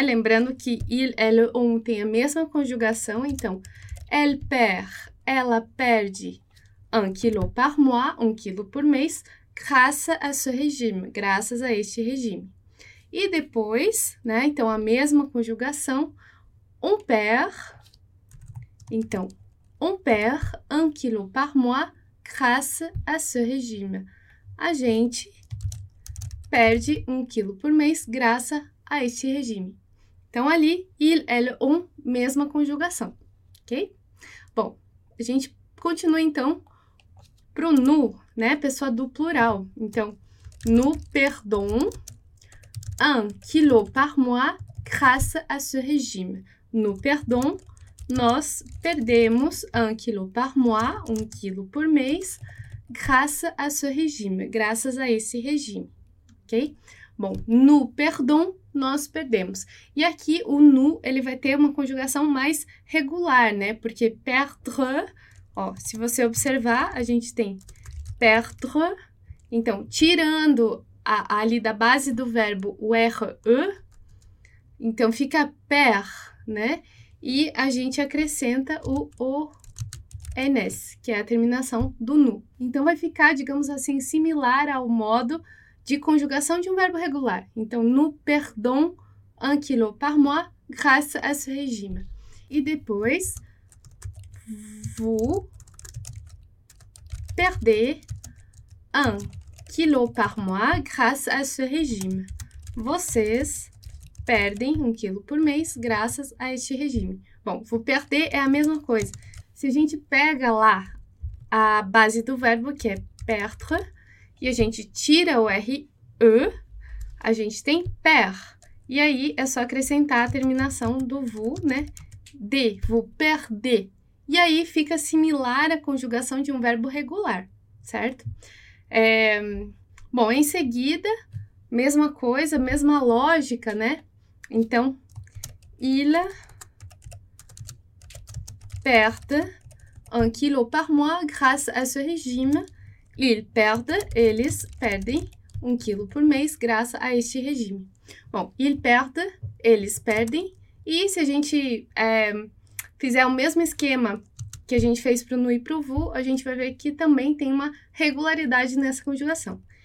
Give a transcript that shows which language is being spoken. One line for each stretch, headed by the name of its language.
Portuguese: Lembrando que il, elle, on tem a mesma conjugação. Então,
French: elle perd.
Portuguese: Ela perde
French: 1 kilo par mois,
Portuguese: 1 quilo por mês,
French: grâce a ce régime,
Portuguese: graças a este regime. E depois, né? Então, a mesma conjugação,
French: on perd. Então, on perd 1 kilo par mois grâce à ce régime.
Portuguese: A gente perde 1 quilo por mês graças a este regime. Então, ali, il, elle, on, mesma conjugação, ok? Bom, a gente continua então pro nu, né? Pessoa do plural.
French: Então, nous perdons 1 kilo par mois grâce à ce régime. Nous perdons,
Portuguese: nós perdemos
French: 1 kilo par mois,
Portuguese: 1 quilo por mês,
French: grâce à ce régime,
Portuguese: graças a esse regime. Ok? Bom,
French: nous perdons,
Portuguese: nós perdemos. E aqui o nous, ele vai ter uma conjugação mais regular, né? Porque perdre, ó, se você observar, a gente tem perdre, então, tirando ali da base do verbo o RE, Então fica per, né? E a gente acrescenta o ONES, que é a terminação do NU. Então vai ficar, digamos assim, similar ao modo de conjugação de um verbo regular.
French: Então, nous perdons un kilo par mois grâce à ce régime.
Portuguese: E depois,
French: vous perdez un kilo par mois grâce à ce régime.
Portuguese: Vocês perdem um quilo por mês graças a este regime. Bom, vou perder é a mesma coisa. Se a gente pega lá a base do verbo, que é perdre, e a gente tira o RE, a gente tem per. E aí é só acrescentar a terminação do VU, né? De, vou perder. E aí fica similar à conjugação de um verbo regular, certo? Bom, em seguida, mesma coisa, mesma lógica, né?
French: Então, il perd un kilo par mois grâce à ce régime. Il perd,
Portuguese: eles perdem um quilo por mês graças a este regime. Bom,
French: il perd,
Portuguese: eles perdem. E se a gente fizer o mesmo esquema que a gente fez para o nu e para o vu, a gente vai ver que também tem uma regularidade nessa conjugação.